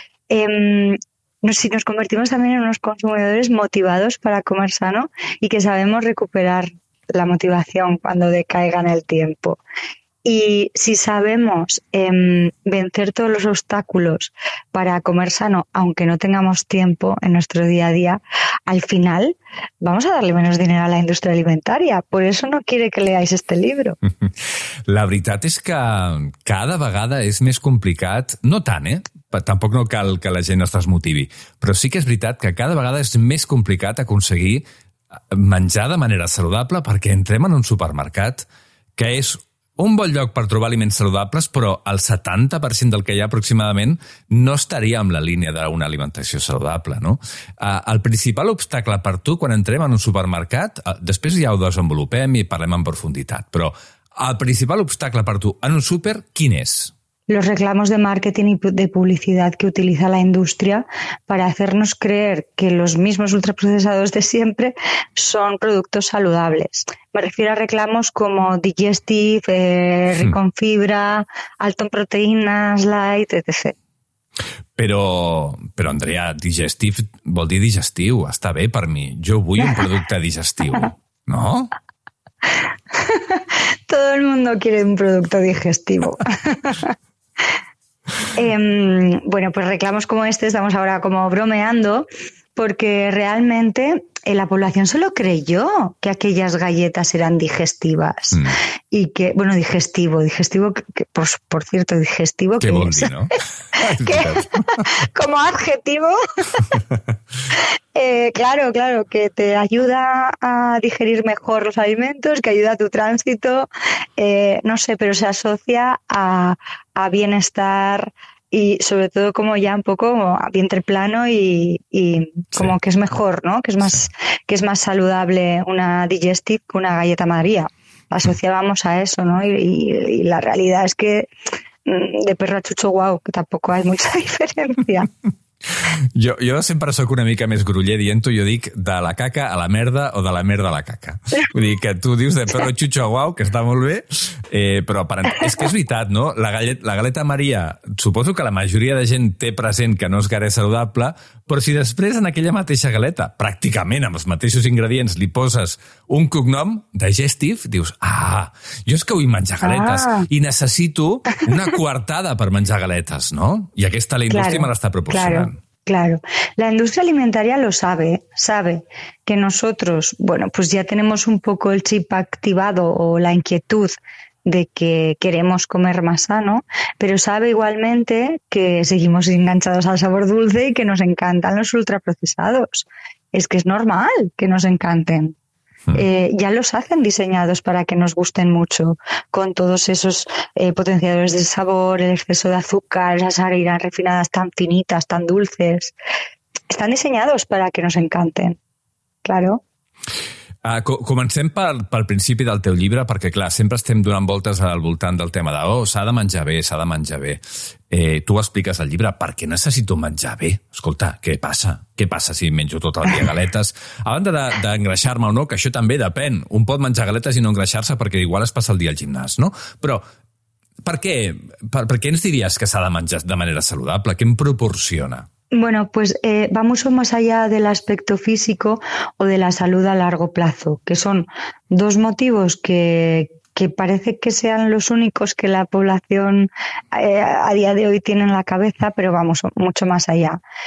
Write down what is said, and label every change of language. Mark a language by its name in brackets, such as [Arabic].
[Spanish] Si nos convertimos también en unos consumidores motivados para comer sano y que sabemos recuperar la motivación cuando decaiga en el tiempo. Y si sabemos vencer todos los obstáculos para comer sano, aunque no tengamos tiempo en nuestro día a día, al final vamos a darle menos dinero a la industria alimentaria. Por eso no quiere que leáis este libro. [Catalan] La veritat és que cada vegada és més complicat, no tant, tampoc no cal que la gent es desmotivi, però sí que és veritat que cada vegada és més complicat aconseguir menjar de manera saludable perquè entrem en un supermercat que és un bon lloc per trobar aliments saludables, però el 70% del que hi ha aproximadament no estaria en la línia d'una alimentació saludable, no? El principal obstacle per tu quan entrem en un supermercat, després ja ho desenvolupem i parlem en profunditat, però el principal obstacle per tu en un súper, quin és? Los reclamos de marketing y de publicidad que utiliza la industria para hacernos creer que los mismos ultraprocesados de siempre son productos saludables. Me refiero a reclamos como Digestive, rico en fibra, alto en proteínas, light, etc. Però, Andrea, Digestive vol dir digestiu, està bé per mi. Jo vull un producte digestiu, no? [Spanish] Todo el mundo quiere un producto digestivo. Pues reclamos como este estamos ahora como bromeando, porque realmente la población solo creyó que aquellas galletas eran digestivas y que, bueno, digestivo, que, por cierto, digestivo. Qué bondi, ¿no? ¿Qué? Como adjetivo. claro, que te ayuda a digerir mejor los alimentos, que ayuda a tu tránsito, no sé, pero se asocia a bienestar y sobre todo como ya un poco a vientre plano y como sí, que es mejor, ¿no? Que es más saludable una Digestive que una galleta María. Asociábamos a eso, ¿no? Y la realidad es que de perro a chucho, wow, que tampoco hay mucha diferencia. [Catalan] Jo sempre sóc una mica més gruller dient-ho, jo dic de la caca a la merda o de la merda a la caca. Vull dir que tu dius [Spanish] de perro xutxo guau, [Catalan] que està molt bé, però és que és veritat, no? La galeta Maria, suposo que la majoria de gent té present que no és gaire saludable, però si després en aquella mateixa galeta, pràcticament amb els mateixos ingredients, li poses un cognom, digestive, dius, ah, jo és que vull menjar galetes i necessito una coartada per menjar galetes, no? I aquesta la indústria me l'està proporcionant. [Spanish] Claro, la industria alimentaria lo sabe, sabe que nosotros, bueno, pues ya tenemos un poco el chip activado o la inquietud de que queremos comer más sano, pero sabe igualmente que seguimos enganchados al sabor dulce y que nos encantan los ultraprocesados. Es que es normal que nos encanten. Ya los hacen diseñados para que nos gusten mucho, con todos esos potenciadores de sabor, el exceso de azúcar, esas harinas refinadas tan finitas, tan dulces. Están diseñados para que nos encanten, claro. [Catalan] Comencem pel principi del teu llibre, perquè, clar, sempre estem donant voltes al voltant del tema de s'ha de menjar bé, s'ha de menjar bé. Tu expliques al llibre per què necessito menjar bé. Escolta, què passa? Què passa si menjo tot el dia galetes? A banda d'engreixar-me o no, que això també depèn. Un pot menjar galetes i no engreixar-se perquè igual es passa el dia al gimnàs, no? Però per què? Per què ens diries que s'ha de menjar de manera saludable? Què em proporciona? [Spanish] Bueno, pues va mucho más allá del aspecto físico o de la salud a largo plazo, que son dos motivos que parece que sean los únicos que la población a día de hoy tiene en la cabeza, pero vamos mucho más allá.